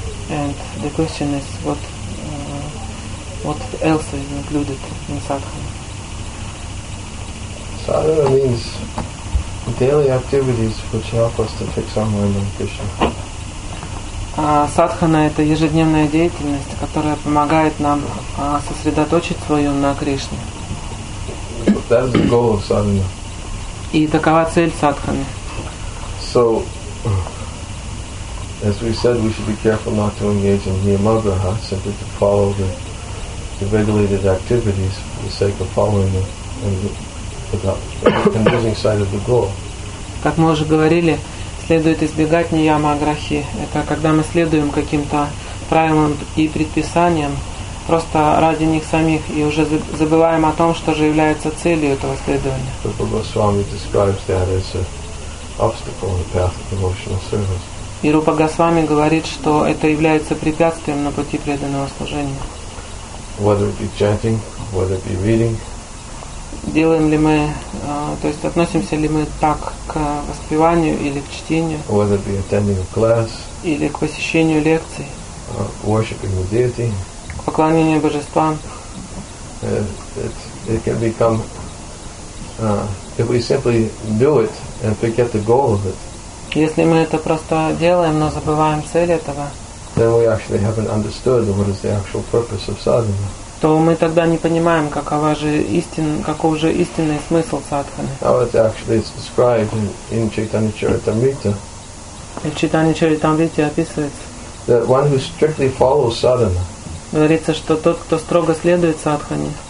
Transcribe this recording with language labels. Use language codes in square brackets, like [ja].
[en] And the question is, what else is included in sadhana? Sadhana means daily activities which help us to fix our mind on Krishna. [ru] Sadhana – это ежедневная деятельность, которая помогает нам сосредоточить свою на Кришне. [en] That is the goal of sadhana. [ru] И такова цель садханы. [en] So, as we said, we should be careful not to engage in niyamagraha, simply to follow the regulated activities for the sake of following them and losing sight of the goal. [ru] Как мы уже говорили, следует избегать ниямаграхи. Это когда мы следуем каким-то правилам и предписаниям просто ради них самих и уже забываем о том, что же является целью этого следования. [en] Prabhupada Goswami describes that as a obstacle in the path of devotional service. [ru] И Рупа Госвами говорит, что это является препятствием на пути преданного служения. [en] Whether it be chanting, whether it be reading. [ru] Делаем ли мы, то есть относимся ли мы так к воспеванию или к чтению? [en] Whether it be attending a class. [ru] Или к посещению лекций. [en] Worshiping the deity. [ru] К поклонению божествам. [en] It can become if we simply do it and forget the goal of it. [ru] Если мы это просто делаем, но забываем цель этого, [en] then we actually haven't understood what is the actual purpose of sadhana. [ru] То мы тогда не понимаем, какова же каков же истинный смысл садханы. [en] How it actually is described in Chaitanya Charitamrita. [ru] В Чайтанья Чаритамрите описывается. [en] That one who strictly follows sadhana. [ru] Говорится, что тот, кто строго следует садхане.